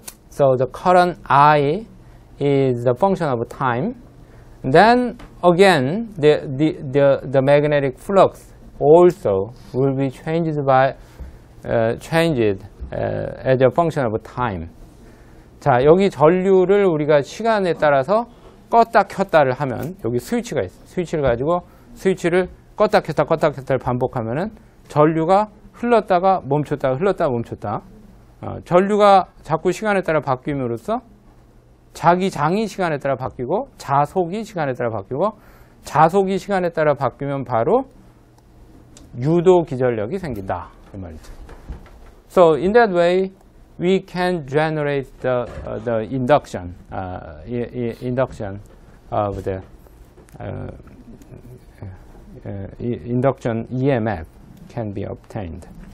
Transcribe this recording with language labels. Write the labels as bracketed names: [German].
[English] So the current I is the function of time. Then again the magnetic flux also will be changed by as a function of time. [Korean] 자, 여기 전류를 우리가 시간에 따라서 껐다 켰다를 하면 여기 스위치가 있어. 스위치를 가지고 스위치를 껐다 켰다를 반복하면은 전류가 흘렀다가 멈췄다 흘렀다 멈췄다. 전류가 자꾸 시간에 따라 바뀜으로써 자기 장이 시간에 따라 바뀌고 자속이 시간에 따라 바뀌고 자속이 시간에 따라 바뀌면 바로 유도 기전력이 생긴다. 그 말이죠. [English] So in that way, we can generate the induction, induction of the induction EMF can be obtained.